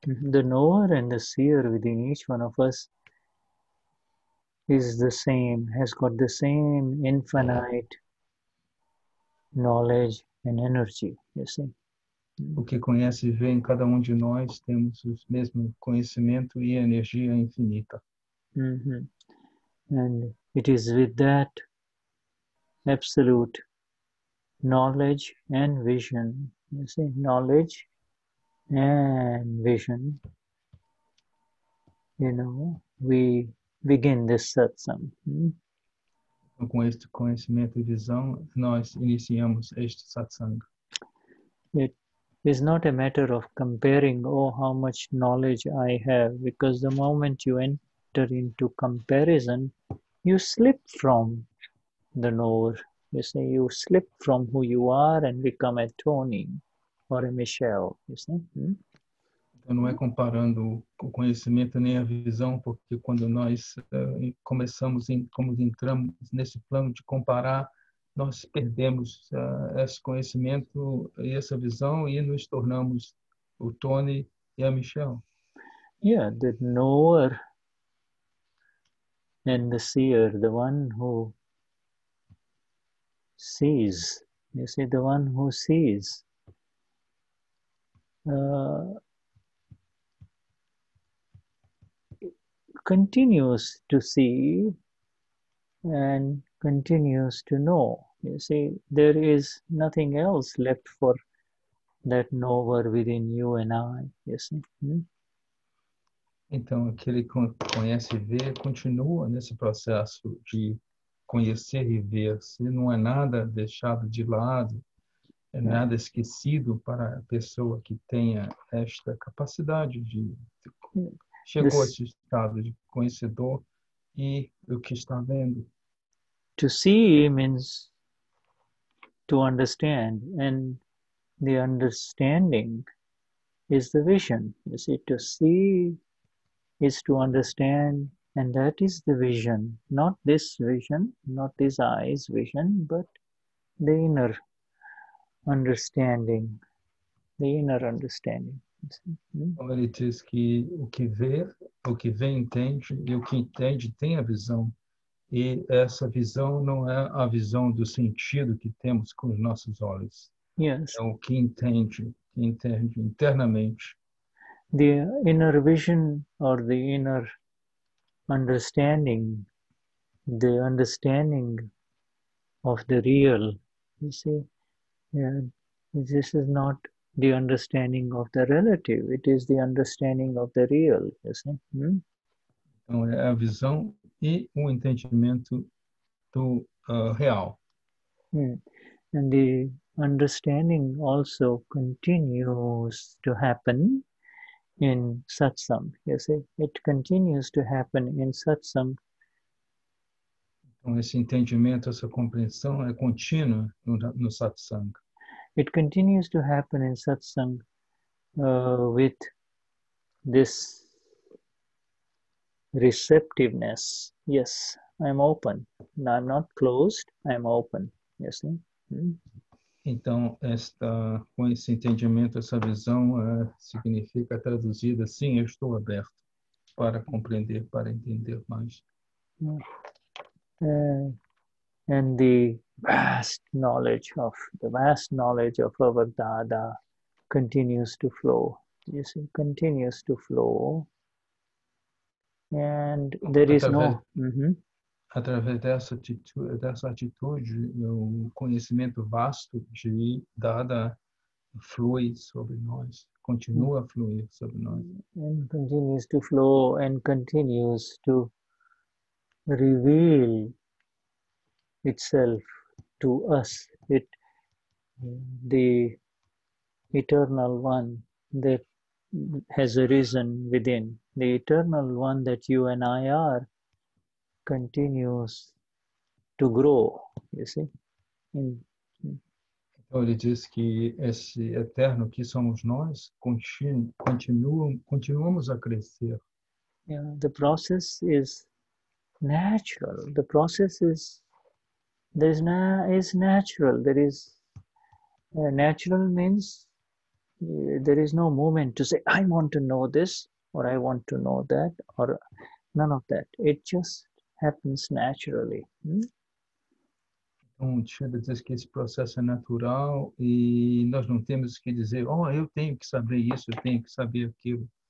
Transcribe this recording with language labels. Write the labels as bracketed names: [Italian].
[English] The knower and the seer within each one of us is the same, has got the same infinite knowledge and energy, you see. [Portuguese] O que conhece e vê em cada de nós temos o mesmo conhecimento e energia infinita. [English] And it is with that absolute knowledge and vision, you see, knowledge and vision, you know, we begin this satsang. [Portuguese] Com este conhecimento e visão, nós iniciamos este satsang. [English] It is not a matter of comparing, oh, how much knowledge I have, because the moment you enter into comparison, you slip from the knower. You see, you slip from who you are and become a Tony or a Michelle, you see. [Portuguese] Então, não é comparando o conhecimento nem a visão, porque quando nós começamos, como entramos nesse plano de comparar, nós perdemos esse conhecimento e essa visão e nos tornamos o Tony e a Michelle. [English] Yeah, the knower and the seer, the one who sees, you see, the one who sees continues to see and continues to know. You see, there is nothing else left for that knower within you and I, you see. [Portuguese] Então, aquele que conhece e vê continua nesse processo de conhecer e ver. Se não é nada deixado de lado, é nada esquecido para a pessoa que tenha esta capacidade de... Chegou a esse estado de conhecedor e o que está vendo. [English] To see means to understand. And the understanding is the vision. You see, to see is to understand, and that is the vision. Not this vision, not this eye's vision, but the inner understanding. The inner understanding. [Portuguese] Ele diz que o que vê, entende, e o que entende tem a visão. E essa visão não é a visão do sentido que temos com os nossos olhos. [English] Yes. [Portuguese] É o que entende internamente. [English] The inner vision or the inner understanding of the real, you see, yeah, this is not the understanding of the relative, it is the understanding of the real, you see. [Portuguese] Então, é a visão e o entendimento do real. [English] And the understanding also continues to happen in satsang, you see, it continues to happen in satsang [Portuguese] Então, esse entendimento, essa compreensão é contínua no satsang. [English] It continues to happen in satsang with this receptiveness. Yes, I'm open. No, I'm not closed, I'm open. Yes, hmm? [Portuguese] Então, esta, com esse entendimento, essa visão significa traduzida, sim, eu estou aberto para compreender, para entender mais. [English] And the vast knowledge of our Dada continues to flow. You see, continues to flow. And there is no... [Portuguese] Através dessa atitude, o conhecimento vasto de Dada flui sobre nós, continua a fluir sobre nós. [English] And continues to flow and continues to reveal itself to us. It, the Eternal One that has arisen within, the Eternal One that you and I are, continues to grow, you see. [Portuguese] Então ele diz que esse eterno que somos nós continuamos a crescer. [English] Yeah, the process is natural. The process is is natural. There is natural means there is no moment to say I want to know this or I want to know that or none of that. It just happens naturally. [Portuguese] Então, Shuddha diz que esse processo é natural e nós não temos que dizer, oh, eu tenho que saber isso, eu tenho que saber aquilo.